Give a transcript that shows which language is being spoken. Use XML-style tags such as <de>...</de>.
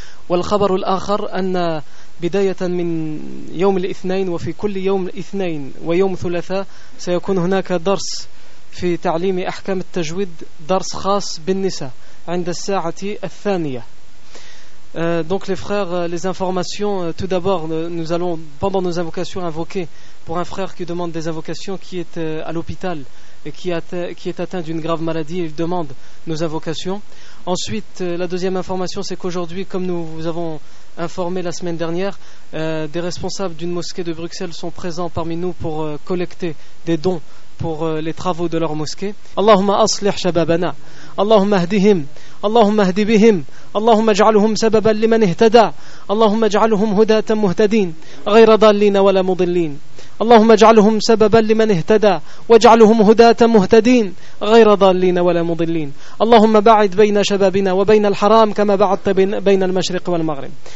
<ar>والخبر الآخر أن بداية من يوم الاثنين وفي كل يوم الاثنين ويوم ثلاثاء سيكون هناك درس في تعليم أحكام التجويد، درس خاص بالنساء عند الساعة الثانية.</ar> <fr>Donc les frères, les informations, tout d'abord, nous allons, pendant nos invocations, invoquer pour un frère qui demande des invocations, qui est à l'hôpital et qui est atteint d'une grave maladie, il demande nos invocations. Ensuite, la deuxième information, c'est qu'aujourd'hui, comme nous vous avons informé la semaine dernière, des responsables d'une mosquée de Bruxelles sont présents parmi nous pour collecter des dons pour les travaux de leur mosquée.</fr> <ar>Allahumma aslih shababana, Allahumma ahdihim, اللهم اهد بهم، اللهم اجعلهم سببا لمن اهتدى، اللهم اجعلهم هداة مهتدين غير ضالين ولا مضلين، اللهم اجعلهم سببا لمن اهتدى واجعلهم هداة مهتدين غير ضالين ولا مضلين، اللهم باعد بين شبابنا وبين الحرام كما بعدت بين المشرق والمغرب،</ar>